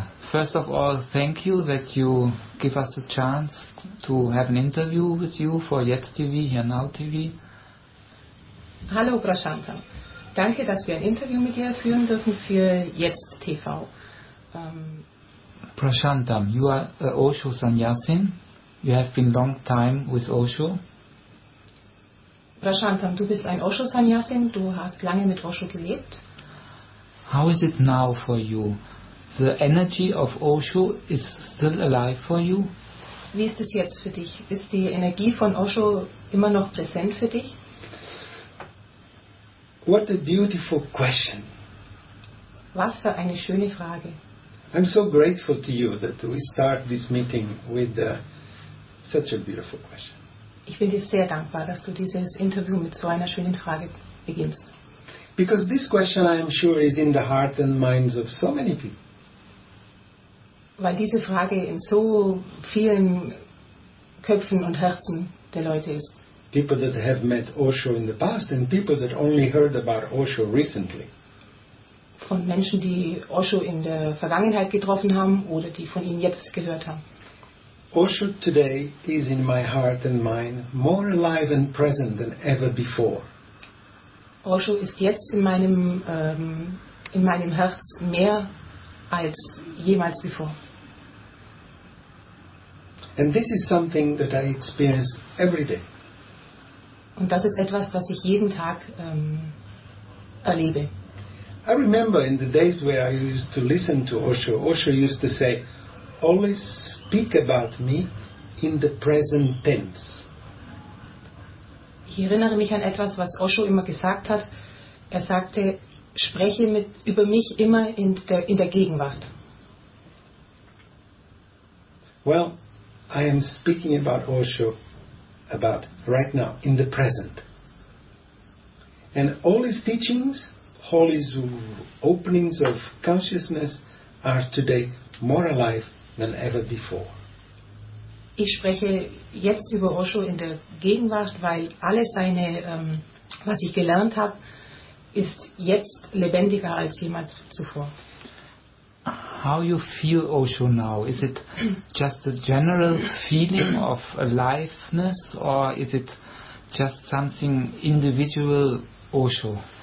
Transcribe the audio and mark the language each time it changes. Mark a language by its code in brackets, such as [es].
[en] First of all, thank you that you give us a chance to have an interview with you for Jetzt TV, Here Now TV. [de] Hallo, Prashantam. Danke, dass wir ein Interview mit dir führen dürfen für Jetzt TV. [en] Prashantam, you are Osho Sanyasin. You have been long time with Osho. [de] Prashantam, du bist ein Osho Sanyasin. Du hast lange mit Osho gelebt. [en] How is it now for you? The energy of Osho is still alive for you? [de] Wie ist es jetzt für dich? Ist die Energie von Osho immer noch präsent für dich? [en] What a beautiful question. [de] Was für eine schöne Frage. [en] I'm so grateful to you that we start this meeting with such a beautiful question. [de] Ich bin dir sehr dankbar, dass du dieses Interview mit so einer schönen Frage beginnst. [en] Because this question, I am sure, is in the heart and minds of so many people. [de] Weil diese Frage in so vielen Köpfen und Herzen der Leute ist. [en] People that have met Osho in the past and people that only heard about Osho recently. [de] Von Menschen, die Osho in der Vergangenheit getroffen haben oder die von ihm jetzt gehört haben. [en] Osho today is in my heart and mind more alive and present than ever before. [de] Osho ist jetzt in meinem Herz mehr als jemals [en] before. And this is something that I experience every day. [de] Und das ist etwas, das ich jeden Tag erlebe. [en] I remember in the days where I used to listen to Osho, Osho used to say, always speak about me in the present tense. [de] Ich erinnere mich an etwas, was Osho immer gesagt hat. Er sagte, spreche über mich immer in der Gegenwart. [en] Well, I am speaking about Osho about right now, in the present. And all his teachings, all his openings of consciousness are today more alive than ever before. [de] Ich spreche jetzt über Osho in der Gegenwart, weil alles seine, was ich gelernt habe, ist jetzt lebendiger als jemals zuvor. [en] How you feel Osho now? Is it just a general feeling of aliveness or is it just something individual Osho?